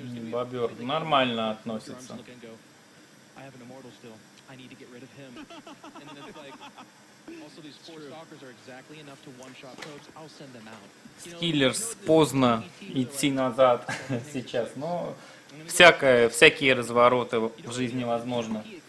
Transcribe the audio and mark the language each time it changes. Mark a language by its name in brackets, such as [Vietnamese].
[Russian] Бобер нормально относится. [English] I have an immortal still. I need to get rid of him. And then it's like, also these four stalkers are exactly enough to one-shot probes. I'll send them out. [Russian] Скиллерс, поздно идти назад сейчас. Но всякие развороты в жизни возможны.